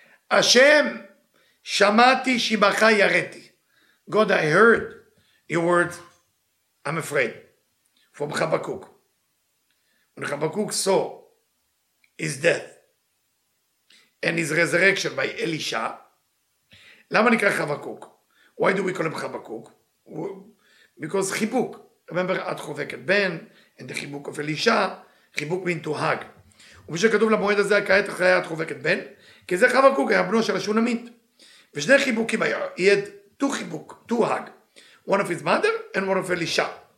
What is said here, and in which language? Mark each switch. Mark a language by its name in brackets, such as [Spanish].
[Hebrew] Hashem, shamati shibacha yareti. [English] God, I heard your word, I'm afraid, from Habakkuk. When Habakkuk saw his death and his resurrection by Elisha, [Hebrew] למה נקרא חבקוק? [English] Why do we call him חבקוק? Because [Hebrew] חיבוק. [English] Remember, [Hebrew] את חובקת בן, [English] and the חיבוק of Elisha, חיבוק means to hug. [Hebrew] ומי שכתוב למועד הזה, כעת אחרי את חובקת בן, כי זה חבקוק, היה בנו של השונמית. ושני חיבוקים היו, [English] he had two חיבוק, two hug. One of his mother, and one of Elisha.